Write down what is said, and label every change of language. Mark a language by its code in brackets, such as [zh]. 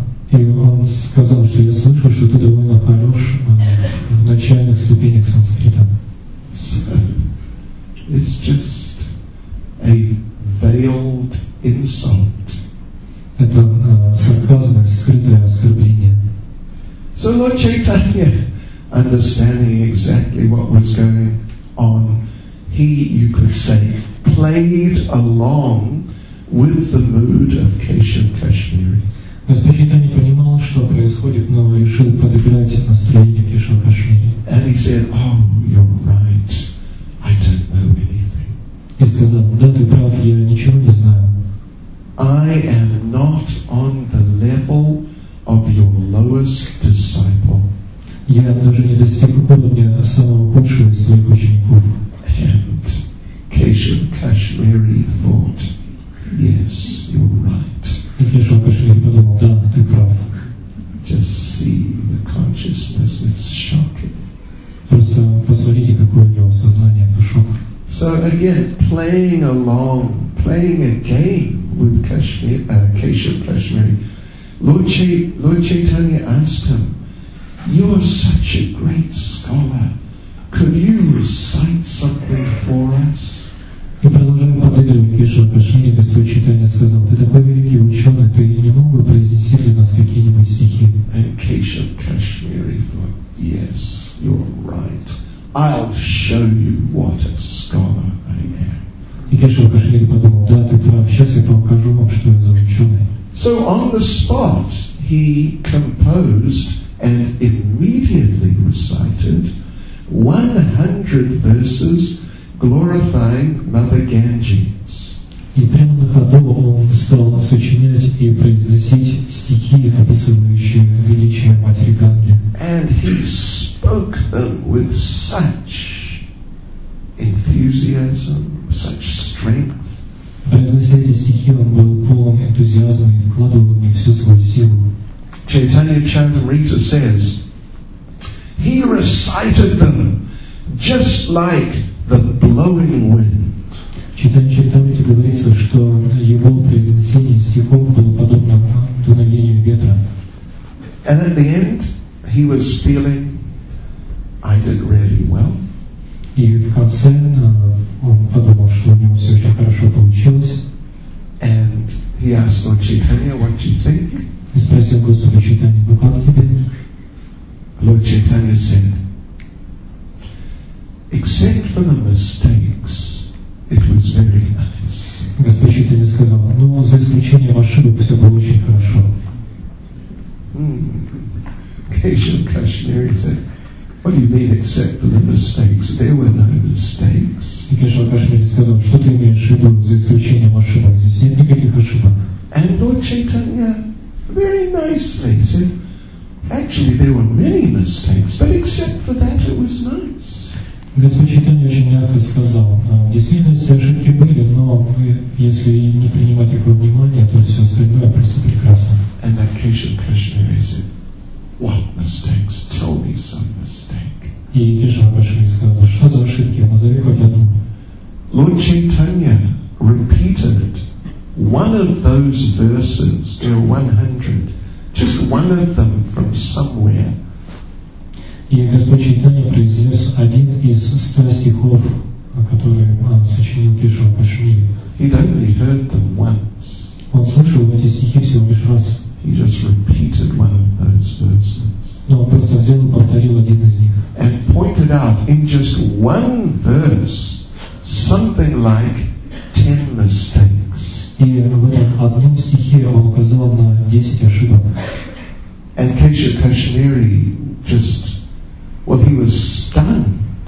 [ru] И он сказал, что я слышал, что ты довольно хорош в начальных ступенях санскрита. [en] So, it's just a veiled insult. [ru] Это сарказмное, скрытое оскорбление. [en] So Lord Chaitanya, understanding exactly what was going on, he, you could say, played along with the mood of Keshava Kashmiri. [ru] Господь Чайтанья понимал, что происходит, но решил подыграть настроение Кешава Кашмири. [en] And he said, oh, you're right, I don't know anything. [ru] И сказал, да, ты прав, я ничего не знаю. [en] I am not on the level of your lowest disciple. [ru] Я даже не достиг уровня самого худшего из твоих учеников. [en] And Кешава Кашмири thought, yes, you're right. [ru] И Кешава Кашмири подумал, да, ты прав. [en] Just see the consciousness, it's shocking. [ru] Просто посмотрите, какое у него сознание, это шок. [en] So again, playing along, playing a game with Кешава Кашмири, Lord Chaitanya asked him, you're such a great scholar, could you recite something for us? [ru] И продолжая подыгрывать Кешава Кашмири, Господь Чайтанья сказал, ты такой великий ученый, ты не мог бы произнести для нас какие-нибудь стихи? [en] And Кешава Кашмири thought, yes, you're right. I'll show you what a scholar I am. [ru] И Кешава Кашмири подумал, да, ты прав, сейчас я покажу вам, что я за ученый. [en] So on the spot, he composed and immediately recited 100 verses glorifying Mother Ganges. [ru] И прямо на ходу он стал сочинять и произносить стихи, описывающие величие Матери Ганги. [en] And he spoke them with such enthusiasm, such strength. [ru] Произнося эти стихи, он был полон энтузиазма и вкладывал в них всю свою силу. [en] Chaitanya Charitamrita says, he recited them just like the blowing wind. [ru] Chaitanya Charitamrita говорится, что его произнесение стихов было подобно [en] And at the end, he was feeling, I did really well. [ru] И в конце он подумал, что у него все очень хорошо получилось. [en] And he asked Lord Chaitanya, what do you think? [ru] И спросил Господа Чайтанья, ну как тебе? [en] Lord Chaitanya said, except for the mistakes, it was very nice. [ru] Господь Чайтанья сказал, ну за исключением ошибок все было очень хорошо. [en] Кешав Кашмири said, what do you mean except for the mistakes? There were no mistakes. [ru] И Кешав Кашмири сказал, что ты имеешь в виду за исключением ошибок? Здесь нет никаких ошибок. [en] And Lord Chaitanya very nicely said, actually there were many mistakes, but except for that it was nice. [ru] Господь Чайтанья очень мягко сказал, действительно, все ошибки были, но вы, если не принимать их во внимание, то все остальное просто прекрасно. [en] And that Keshav Kashmiri said, what mistakes? Tell me some mistake. [ru] И Кешава Кашмири сказал, что за ошибки? Назови хоть одну. [en] Lord Chaitanya repeated one of those verses, there 100, just one of them from somewhere. [ru] И Господь Чайтанья произнес один из 100 стихов, которые он сочинил Кешава Кашмири. [en] He'd only heard them once. [ru] Он слышал эти стихи всего лишь раз. [en] He just repeated one of those verses. [ru] Но он просто взял и повторил один из них. [en] And pointed out in just one verse something like 10 mistakes. [ru] И в этом одном стихе он указал на 10 ошибок. [en] And Kesha Kashmiri just, well, he was stunned.